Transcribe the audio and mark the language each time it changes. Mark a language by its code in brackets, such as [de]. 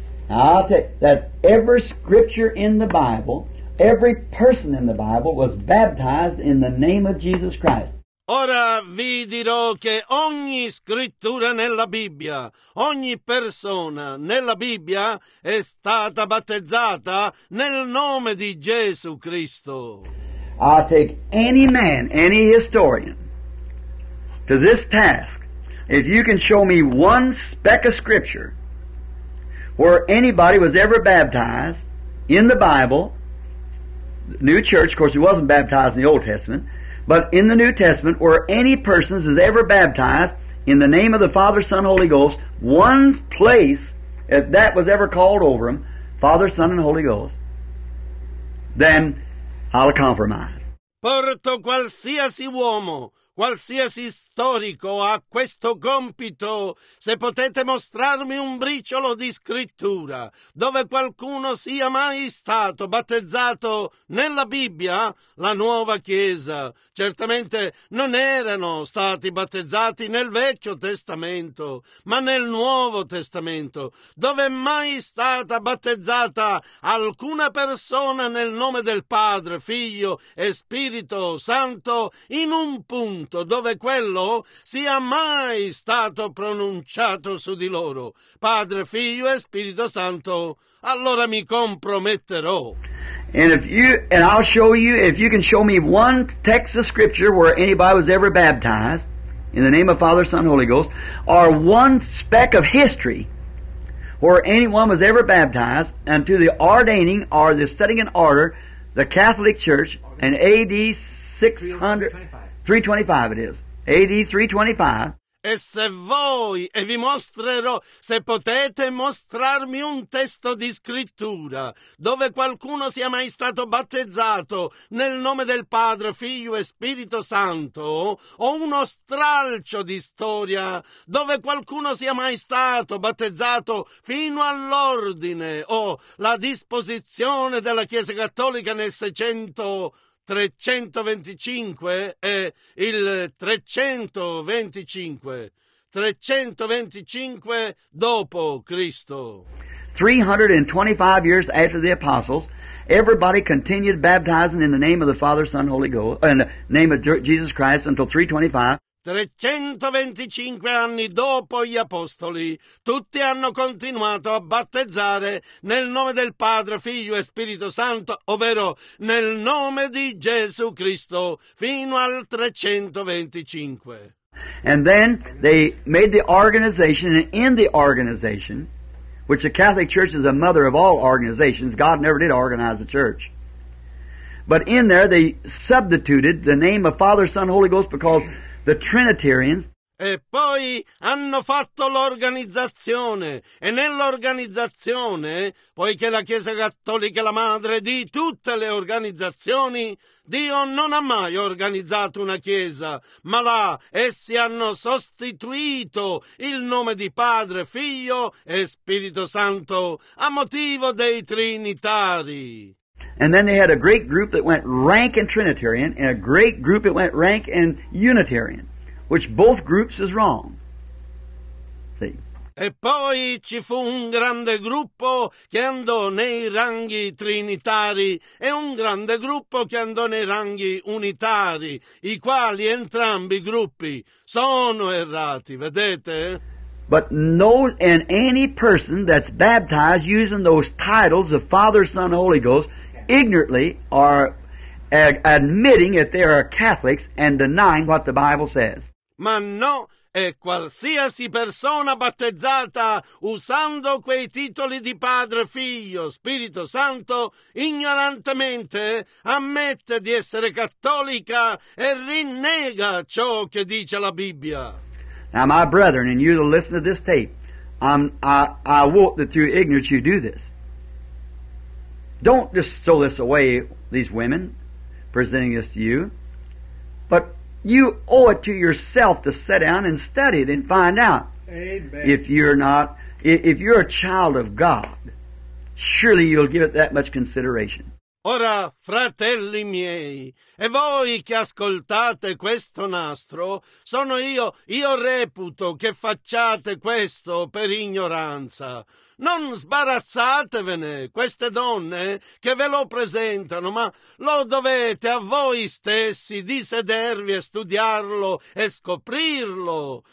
[en] I'll tell you that every scripture in the Bible, every person in the Bible was baptized in the name of Jesus Christ. [it] Ora vi dirò che ogni scrittura nella Bibbia, ogni persona nella Bibbia è stata battezzata nel nome di Gesù Cristo. [en] I'll take any man, any historian, to this task. If you can show me one speck of scripture where anybody was ever baptized in the Bible, the New Church, of course he wasn't baptized in the Old Testament, but in the New Testament, where any person is ever baptized in the name of the Father, Son, Holy Ghost, one place that was ever called over him, Father, Son, and Holy Ghost, then I'll compromise. [it] Porto qualsiasi uomo, qualsiasi storico ha questo compito, se potete mostrarmi un briciolo di scrittura dove qualcuno sia mai stato battezzato nella Bibbia, la nuova Chiesa. Certamente non erano stati battezzati nel Vecchio Testamento, ma nel Nuovo Testamento. Dove è mai stata battezzata alcuna persona nel nome del Padre, Figlio e Spirito Santo in un punto dove quello sia mai stato pronunciato su di loro, Padre, Figlio e Spirito Santo, allora mi comprometterò. [en] And if you, and I'll show you, if you can show me one text of scripture where anybody was ever baptized in the name of Father, Son, Holy Ghost, or one speck of history where anyone was ever baptized unto the ordaining or the setting in order the Catholic Church in A.D. 600... 325 it is. AD 325. [it] E se voi, e vi mostrerò, se potete mostrarmi un testo di scrittura dove qualcuno sia mai stato battezzato nel nome del Padre, Figlio e Spirito Santo, o uno stralcio di storia dove qualcuno sia mai stato battezzato fino all'ordine o la disposizione della Chiesa Cattolica nel 600... 325 e il 325, 325 dopo Cristo. [en] 325 years after the apostles, everybody continued baptizing in the name of the Father, Son, Holy Ghost, in the name of Jesus Christ until 325. [it] 325 anni dopo gli apostoli, tutti hanno continuato a battezzare nel nome del Padre, Figlio e Spirito Santo, ovvero nel nome di Gesù Cristo, fino al 325. [en] And then they made the organization, and in the organization, which the Catholic Church is the mother of all organizations, God never did organize a church. But in there they substituted the name of Father, Son, Holy Ghost, because the Trinitarians. [it] E poi hanno fatto l'organizzazione, e nell'organizzazione, poiché la Chiesa Cattolica è la madre di tutte le organizzazioni, Dio non ha mai organizzato una Chiesa, ma là essi hanno sostituito il nome di Padre, Figlio e Spirito Santo a motivo dei Trinitari. [en] And then they had a great group that went rank and Trinitarian, and a great group that went rank and Unitarian, which both groups is wrong. See. [it] E poi ci fu un grande gruppo che andò nei ranghi trinitari e un grande gruppo che andò nei ranghi unitari, i quali entrambi i gruppi sono errati, vedete? [en] But no, and any person that's baptized using those titles of Father, Son, Holy Ghost ignorantly are admitting that they are Catholics and denying what the Bible says. [it] Ma no, e qualsiasi persona battezzata usando quei titoli di Padre, Figlio, Spirito Santo, ignorantemente ammette di essere cattolica e rinnega ciò che dice la Bibbia. [en] Now, my brethren, and you that listen to this tape, I want that through ignorance you do this. Don't just throw this away, these women presenting this to you, but you owe it to yourself to sit down and study it and find out. Amen. If you're a child of God, surely you'll give it that much consideration. [it] Ora, fratelli miei, e voi che ascoltate questo nastro, sono io reputo che facciate questo per ignoranza. Non sbarazzatevene, queste donne che ve lo presentano, ma lo dovete a voi stessi di sedervi e studiarlo e scoprirlo.